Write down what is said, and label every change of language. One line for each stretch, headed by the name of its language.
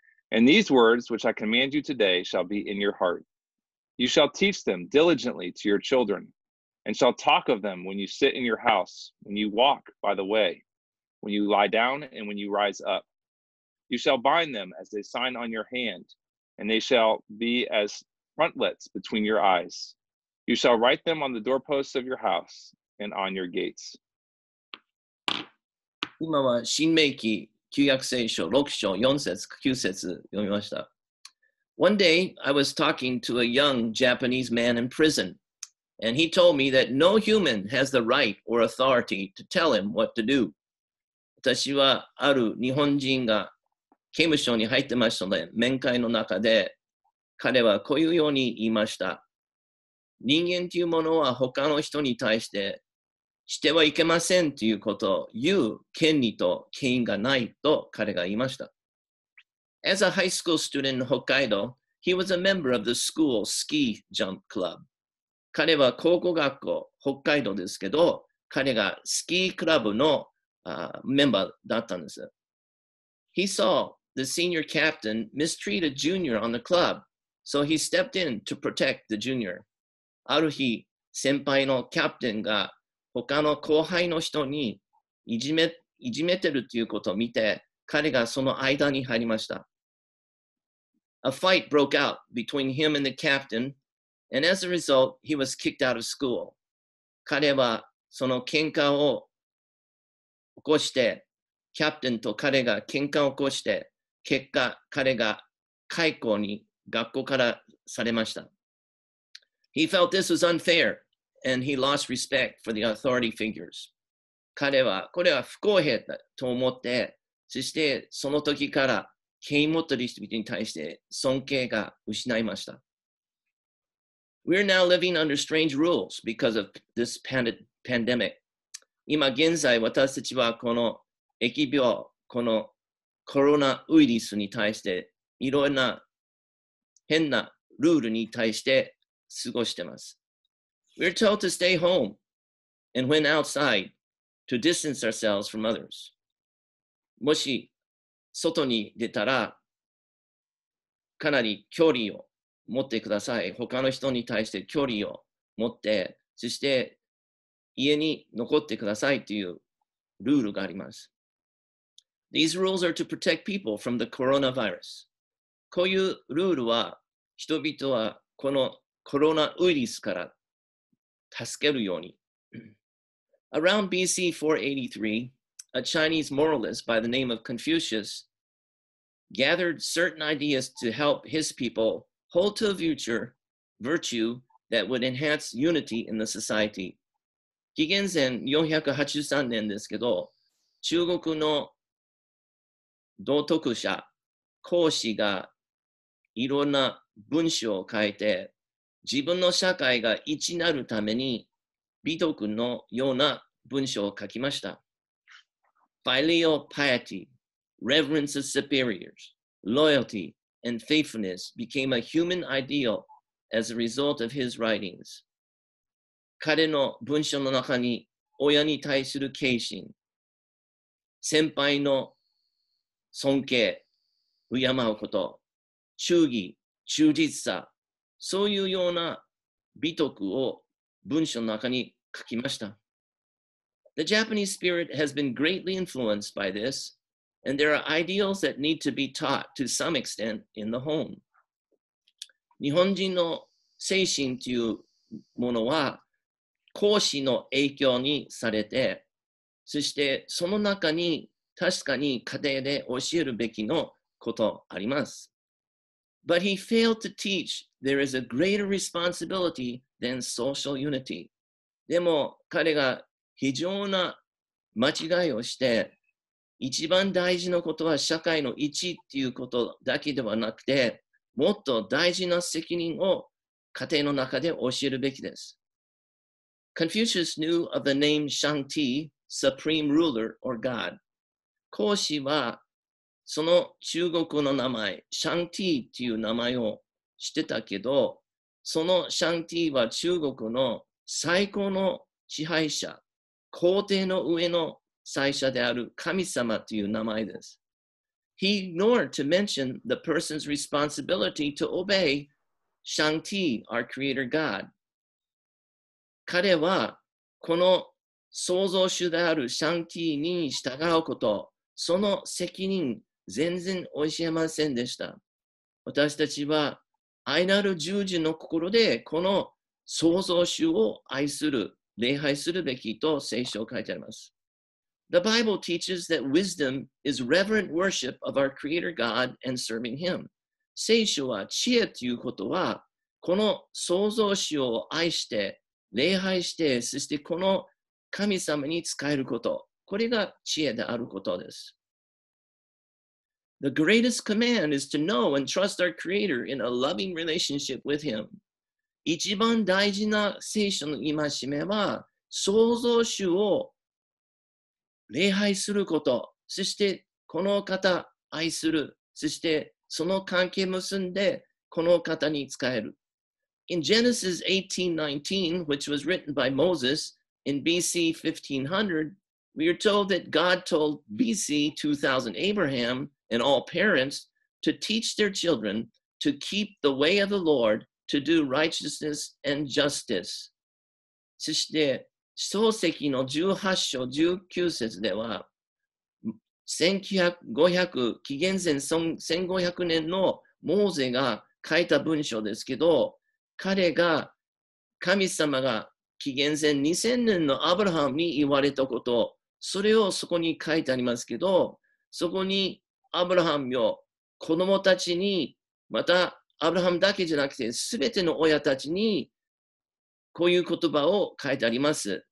English: And these words which I command you today shall be in your heart. You shall teach them diligently to your children, and shall talk of them when you sit in your house, when you walk by the way, when you lie down and when you rise up. You shall bind them as a sign on your hand, and they shall be as frontlets between your eyes. You shall write them on the doorposts of your house and on your gates.
Japanese: 今は新命記旧約聖書6章4節9節読みました。
English: One day, I was talking to a young Japanese man in prison, and he told me that no human has the right or authority to tell him what to do.
Japanese: 私はある日本人が刑務所に入ってましたので、面会の中で彼はこういうように言いました。人間というものは他の人に対してしてはいけませんということを言う権利と権威がないと彼が言いました。
English: As a high school student in Hokkaido, he was a member of the school ski jump club.
Japanese: 彼は考古学校、北海道ですけど、彼がスキークラブのメンバーだったんです。
English: He saw the senior captain mistreat a junior on the club, so he stepped in to protect the junior.
Japanese: ある日、先輩のキャプテンが他の後輩の人にいじめてるということを見て、彼がその間に入りました。
English: A fight broke out between him and the captain, and as a result, he was kicked out of school.
Japanese: 彼はその喧嘩を起こして、キャプテンと彼が喧嘩を起こして、結果彼が解雇に学校からされました。
English: He felt this was unfair, and he lost respect for the authority figures.
Japanese: 彼はこれは不公平だと思って、そしてその時から権威持っている人々に対して尊敬が失いました。
English: We are now living under strange rules because of this pandemic.
Japanese: 今現在私たちはこの疫病、このコロナウイルスに対していろんな変なルールに対して過ごしています。
English: We are told to stay home and when outside to distance ourselves from others.
Japanese: もし外に出たらかなり距離を持ってください。他の人に対して距離を持って、そして家に残ってくださいというルールがあります。
English: These rules are to protect people from the coronavirus.
Japanese: こういうルールは人々はこのコロナウイルスから助けるように。
English: Around BC 483,A Chinese moralist by the name of Confucius gathered certain ideas to help his people hold to a future virtue that would enhance unity in the society.
Japanese: 紀元前483年ですけど、中国の道徳者、孔子がいろんな文章を書いて、自分の社会が一なるために美徳のような文章を書きました。
English: Filial piety, reverence of superiors, loyalty, and faithfulness became a human ideal as a result of his writings.
Japanese: 彼の文章の中に親に対する敬信、先輩の尊敬、敬うこと、忠義、忠実さ、そういうような美徳を文章の中に書きました。
English: The Japanese spirit has been greatly influenced by this, and there are ideals that need to be taught to some extent in the home.
Japanese: 日本人の精神というものは、孔子の影響にされて、そしてその中に確かに家庭で教えるべきのことあります。
English: But he failed to teach there is a greater responsibility than social unity.
Japanese: でも彼が非常な間違いをして、一番大事なことは社会の一っていうことだけではなくて、もっと大事な責任を家庭の中で教えるべきです。
English: Confucius knew of the name Shangti, supreme ruler or god.
Japanese: 講師はその中国の名前シャンティーという名前をしてたけど、そのシャンティーは中国の最高の支配者、皇帝の上の最初である神様という名前です。
English: He ignored to mention the person's responsibility to obey Shanti, our creator God.
Japanese: 彼はこの創造主であるシャンティーに従うこと、その責任全然教えませんでした。私たちは愛なる従順の心でこの創造主を愛する、礼拝するべきと聖書を書いてあります。
English: The Bible teaches that wisdom is reverent worship of our Creator God and serving Him.
Japanese: 聖書は知恵ということは、この創造主を愛して、礼拝して、そしてこの神様に仕えること。これが知恵であることです。
English: The greatest command is to know and trust our Creator in a loving relationship with Him.
Japanese: 一番大事な聖書の戒めは、創造主を礼拝すること、そしてこの方愛する、そしてその関係結んでこの方に仕える。
English: In Genesis 18:19, which was written by Moses in B.C. 1500, we are told that God told B.C. 2000 Abraham and all parents to teach their children to keep the way of the Lord, to do righteousness and justice.
Japanese: そして創世記の18章19節では、紀元前1500年のモーゼが書いた文章ですけど、彼が神様が紀元前2000年のアブラハムに言われたこと、それをそこに書いてありますけど、そこにアブラハムよ、子供たちに、またアブラハムだけじゃなくて、すべての親たちに、こういう言葉を書いてあります。